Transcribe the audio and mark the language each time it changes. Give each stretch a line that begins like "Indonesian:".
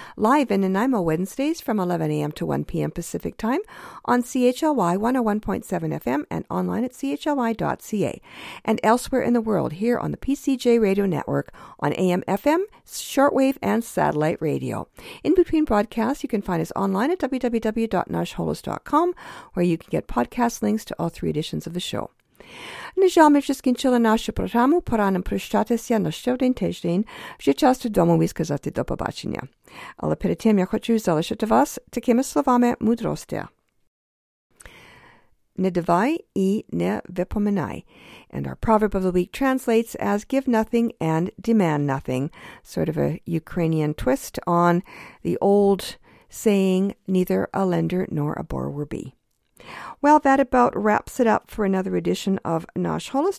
English: Live in Nanaimo Wednesdays from 11 a.m. to 1 p.m. Pacific Time on CHLY 101.7 FM and online at chly.ca. And elsewhere in the world here on the PCJ Radio Network on AM, FM, shortwave, and satellite radio. In between broadcasts, you can find us online at www.nashholos.com, where you can get podcast links to all three editions of the show.
Ukrainian: На жаль, ми вже скінчили нашу програму. Пора нам прощатися на щодень тиждень. Вже час додому і сказати до побачення. Але перед тим я хочу залишити вас такими словами мудрості. Не давай і не випоминай.
English: And our proverb of the week translates as give nothing and demand nothing. Sort of a Ukrainian twist on the old saying, neither a lender nor a borrower be. Well, that about wraps it up for another edition of Nash Holos.